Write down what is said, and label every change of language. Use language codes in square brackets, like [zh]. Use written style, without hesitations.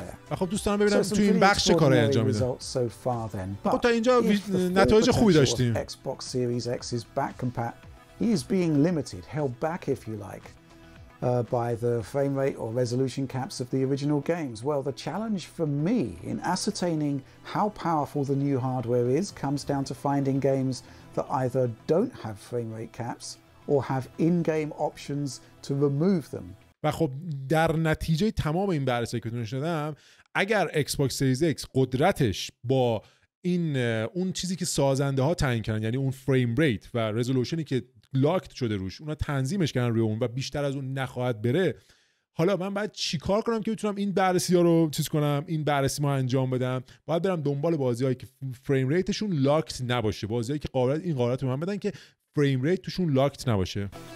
[fa] خب دوست دارم ببینم تو این بخش چه کاری انجام میدن. خب تا اینجا نتایج خوبی داشتیم. [en] Xbox Series X is back compat. He's being limited, held back if you like, by the frame rate or resolution caps of the original games. Well, the challenge for me in ascertaining how powerful the new hardware is comes down to finding games that either don't have frame rate caps or have in-game options to remove them. [fa] و خب در نتیجه تمام این بررسی که دادم، اگر Xbox Series X قدرتش با این اون چیزی که سازنده ها تعیین کردن، یعنی اون فریم ریت و رزولوشنی که لاکت شده روش، اونا تنظیمش کردن روی اون و بیشتر از اون نخواهد بره، حالا من باید چی کار کنم که بتونم این بررسی ها رو چیز کنم، این بررسی ما انجام بدم؟ باید برم دنبال بازی هایی که فریم ریتشون لاکت نباشه، بازی هایی که قابلیت این قابلیت رو من بدن که فریم ریت توشون لاکت نباشه.